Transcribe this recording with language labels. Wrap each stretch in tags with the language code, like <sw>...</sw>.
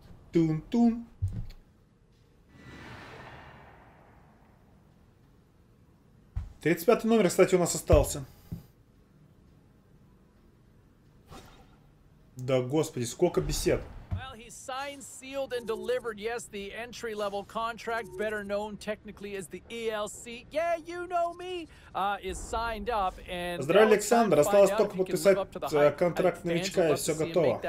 <ru>Тун-тун. Тридцать пятый номер, кстати, у нас остался. Да господи, сколько бесед.</ru> <en>Well, he signed, sealed, and delivered, yes, the entry-level contract, better known technically as the ELC. Yeah, you know me, is signed up, and...</en> <ru>Здравствуйте, Александр, осталось только подписать контракт новичка, и все готово.</ru>